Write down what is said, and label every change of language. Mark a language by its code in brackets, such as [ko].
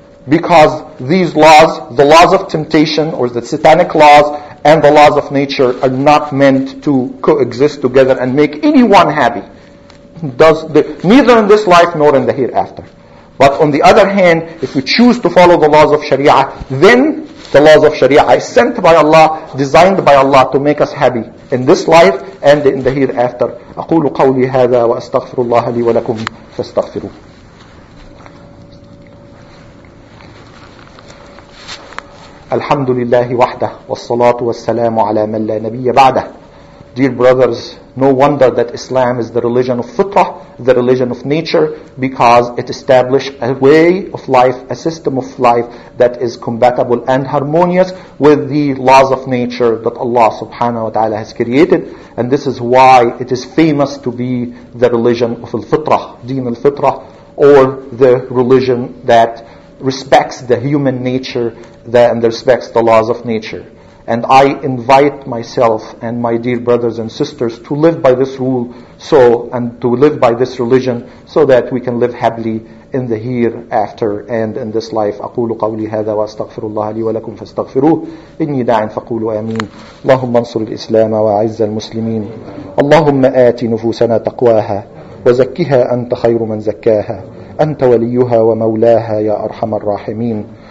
[en] Because these laws, the laws of temptation or the satanic laws and the laws of nature, are not meant to coexist together and make anyone happy. Neither in this life nor in the hereafter. But on the other hand, if we choose to follow the laws of Sharia, then the laws of Sharia are sent by Allah, designed by Allah to make us happy in this life and in the hereafter. [ar] أقول قولي هذا وأستغفر الله لي ولكم فاستغفروا. الحمد لله وحده والصلاة والسلام على من لا نبي بعده. [en] Dear brothers, no wonder that Islam is the religion of fitrah, the religion of nature, because it established a way of life, a system of life that is compatible and harmonious with the laws of nature that Allah subhanahu wa ta'ala has created. And this is why it is famous to be the religion of al-fitrah, deen al-fitrah, or the religion that respects the human nature and respects the laws of nature. And I invite myself and my dear brothers and sisters to live by this rule so, and to live by this religion so that we can live happily in the hereafter and in this life. [ar] أقول قولي هذا وأستغفر الله لي ولكم فاستغفروه إني داع فقولوا آمين. اللهم انصر الإسلام وأعز المسلمين. اللهم آت نفوسنا تقواها وزكها أنت خير من زكاها أنت وليها ومولاها يا أرحم الراحمين.